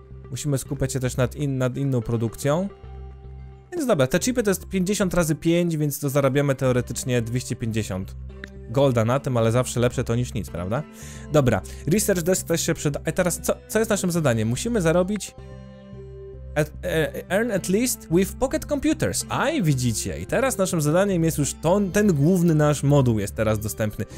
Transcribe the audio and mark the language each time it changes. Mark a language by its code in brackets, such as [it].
[pl] musimy skupiać się też nad inną produkcją. Więc dobra, te chipy to jest 50 razy 5, więc to zarabiamy teoretycznie 250 golda na tym, ale zawsze lepsze to niż nic, prawda? Dobra, Research Desk też się przyda... A teraz co jest naszym zadaniem? Musimy zarobić... [en] Earn at least with pocket computers. [pl] Aj, widzicie. I teraz naszym zadaniem jest już ten główny nasz moduł jest teraz dostępny.